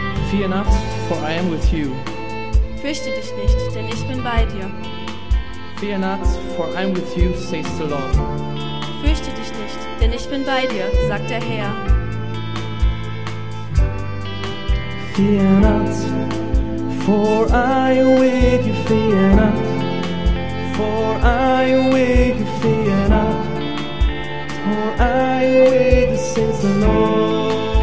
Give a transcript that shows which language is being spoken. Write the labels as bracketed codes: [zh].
[en] Fear not, for I am with you. [de] Fürchte dich nicht, denn ich bin bei dir. [en] Fear not, for I am with you, says the Lord. [de] Fürchte dich nicht, denn ich bin bei dir, sagt der Herr. [en] Fear not, for I am with you, fear not, for I am with you, fear not, for I am with you, says the Lord.